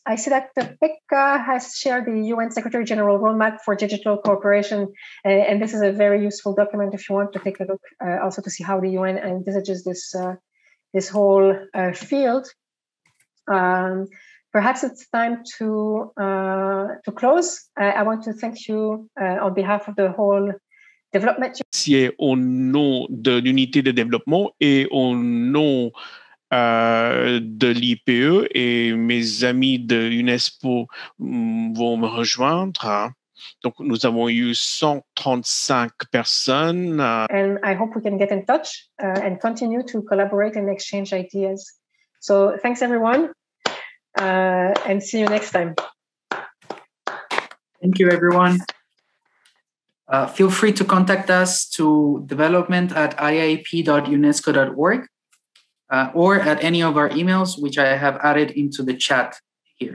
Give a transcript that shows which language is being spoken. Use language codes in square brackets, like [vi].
[en] I see that Pekka has shared the UN Secretary General Roadmap for Digital Cooperation, and this is a very useful document if you want to take a look, also to see how the UN envisages this whole field. Perhaps it's time to close. I want to thank you on behalf of the whole development. [fr] Merci au nom de l'unité de développement et au nom de l'IPE et mes amis de UNESPO vont me rejoindre. Donc nous avons eu 135 personnes. [en] And I hope we can get in touch and continue to collaborate and exchange ideas. So thanks everyone. And see you next time. Thank you, everyone. Feel free to contact us to development@iiep.unesco.org or at any of our emails, which I have added into the chat here.